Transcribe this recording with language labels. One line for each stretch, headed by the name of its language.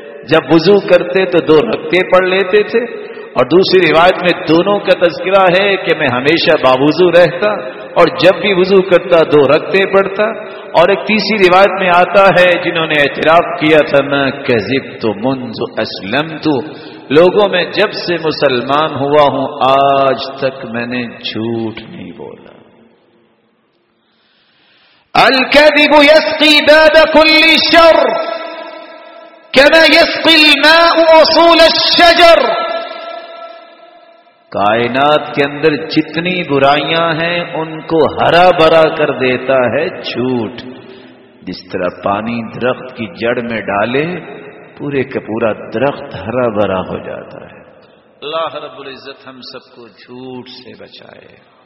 Urdu: جب وضو کرتے تو دو رکعتیں پڑھ لیتے تھے, اور دوسری روایت میں دونوں کا تذکرہ ہے کہ میں ہمیشہ باوضو رہتا اور جب بھی وضو کرتا دو رکعتیں پڑھتا. اور ایک تیسری روایت میں آتا ہے جنہوں نے اعتراف کیا تھا, میں
Arabic: کذبت منذ اسلمت,
Urdu: لوگوں میں جب سے مسلمان ہوا ہوں آج تک میں نے جھوٹ نہیں بولا.
Arabic: الكذب يسقي باب كل شر كما يسقي الماء اصول الشجر.
Urdu: کائنات کے اندر جتنی برائیاں ہیں ان کو ہرا بھرا کر دیتا ہے جھوٹ, جس طرح پانی درخت کی جڑ میں ڈالے پورے کا پورا درخت ہرا بھرا ہو جاتا ہے. اللہ رب العزت ہم سب کو جھوٹ سے بچائے.